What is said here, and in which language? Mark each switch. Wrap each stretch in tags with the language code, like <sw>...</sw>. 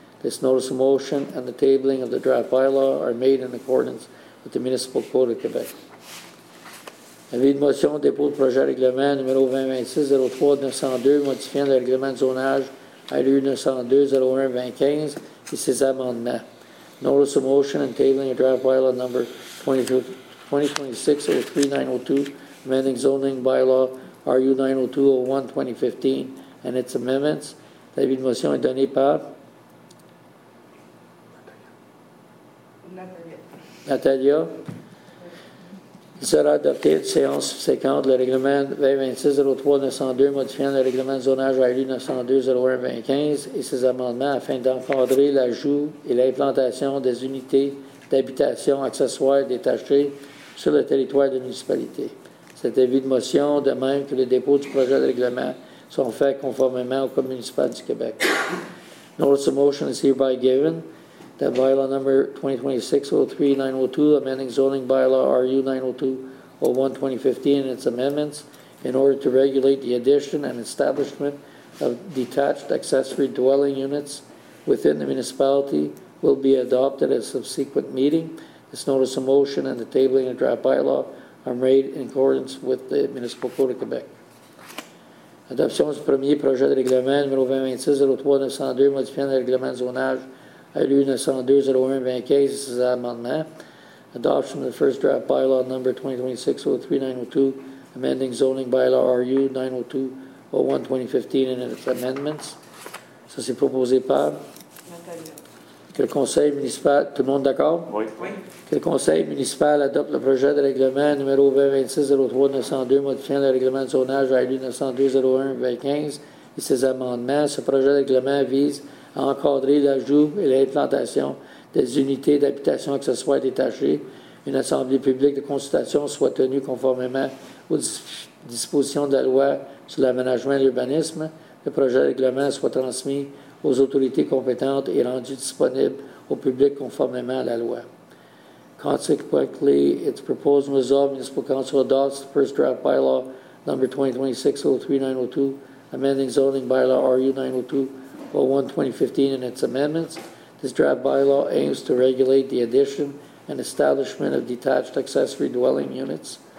<en>This notice of motion and the tabling of the draft bylaw are made in accordance with the Municipal Code of Québec.</en> <fr>Avis de motion, dépôt de projet de règlement numéro 2026-03-902, modifiant le règlement de zonage ALU 902-01-2015 et ses amendements.</fr> <en>Notice of motion and tabling a draft bylaw number 2026-03-902, amending zoning bylaw RU 902-01-2015 and its amendments.</en> <fr>L'avis de motion est donné par? Natalia. Il sera adopté une séance subséquente le règlement 2026-03-902 modifiant le règlement de zonage ALU 902-01-2015 et ses amendements afin d'encadrer l'ajout et l'implantation des unités d'habitation accessoires détachées sur le territoire de la municipalité. Cet avis de motion de même que le dépôt du projet de règlement sont faits conformément au Code municipal du Québec.</fr> <en>Notice of motion is hereby given. That bylaw number 2026-03-902, amending zoning bylaw RU 902-01-2015 and its amendments, in order to regulate the addition and establishment of detached accessory dwelling units within the municipality, will be adopted at a subsequent meeting. This notice of motion and the tabling of draft bylaw are made in accordance with the Municipal Code of Quebec.</en> <fr>Adoption du premier projet de règlement numéro 2026-03-902, modifiant le règlement de zonage. ALU 902-01-2015 et ses amendements.</fr> <en>adoption of the first draft bylaw number 2026-03902, amending zoning bylaw RU 902-01-2015 and its amendments.</en> <fr>Ça, c'est proposé par? Que le conseil municipal, tout le monde d'accord? Oui. Que le conseil municipal adopte le projet de règlement numéro 2026-03-902, modifiant le règlement de zonage RU 902-01-2015 et ses amendements. Ce projet de règlement vise à encadrer l'ajout et l'implantation des unités d'habitation accessoires détachées. Une assemblée publique de consultation soit tenue conformément aux dispositions de la loi sur l'aménagement et l'urbanisme. Le projet de règlement soit transmis aux autorités compétentes et rendu disponible au public conformément à la loi.</fr> <en>Consequently, it's proposed and resolved Municipal Council adopts the first draft bylaw number 2026-03902, amending zoning bylaw RU 902-01-2015 and its amendments. This draft bylaw aims to regulate the addition and establishment of detached accessory dwelling units.</en>